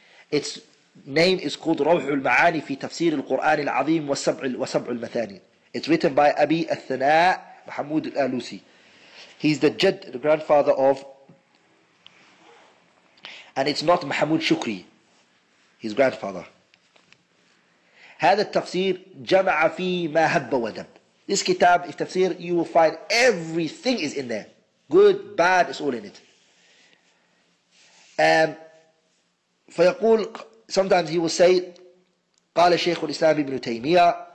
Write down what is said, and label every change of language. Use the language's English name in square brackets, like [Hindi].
[English] Its name is called Rawh al-Ma'ani fi tafsir al-Qur'an al-Azim wa Sab' al-Mathani. It's written by Abi al-Thana' Mahmud al-Alusi. He's the Jadd, the grandfather of, and it's not Mahmoud Shukri, his grandfather. [Arabic] هذا التفسير جمع في ما هب ودب. [English] This kitab, if tafsir, you will find everything is in there. Good, bad, it's all in it. [Arabic] فيقول, sometimes he will say, قال الشيخ الإسلام ابن تيمية.